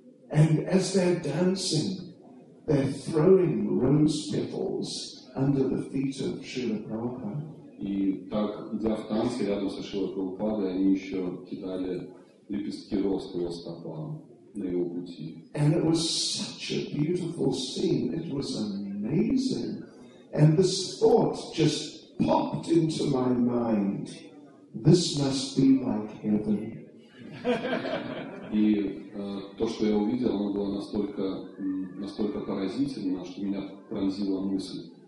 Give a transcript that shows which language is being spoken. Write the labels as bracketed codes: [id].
[en] And as they're dancing, they're throwing rose petals under the feet of Srila Prabhupada. [ru] И так, идя в танце рядом со Шрилой Прабхупадой, они еще кидали лепестки роз по его стопам, на его пути. [en] And it was such a beautiful scene. It was amazing. And this thought just popped into my mind. This must be like heaven. [ru] И то, что я увидел, оно было настолько поразительно, что меня пронзила мысль.